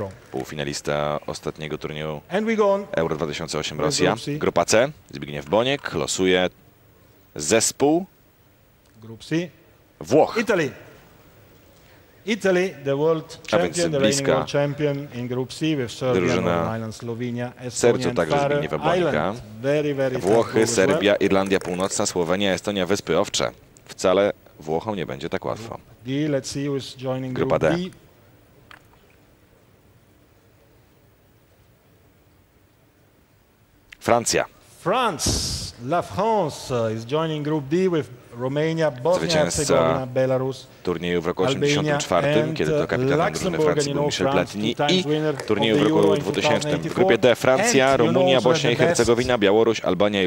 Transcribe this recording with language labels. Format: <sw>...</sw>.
<pl>Półfinalista ostatniego turnieju Euro 2008 Rosja. Grupa C. Zbigniew Boniek losuje zespół Włoch.</pl> <en>Italy, the world champion, the reigning world champion in Group C with Serbia,</en> <pl>drużyna</pl> <en>Island, Slovenia, Estonia, very</en> <pl>Włochy, Serbia, Irlandia Północna, Słowenia, Estonia, Wyspy Owcze. Wcale Włochom nie będzie tak łatwo. Grupa D. Francja.</pl> <en>France, La France is joining Group D with Romania,</en> <pl>Bosnia, Belarus, turnieju w roku 1984, kiedy to kapitan drużyny Francji był Michel Platini, i turnieju w roku 2000. W grupie D Francja, Rumunia, Bośnia i Hercegowina, Białoruś, Albania i</pl>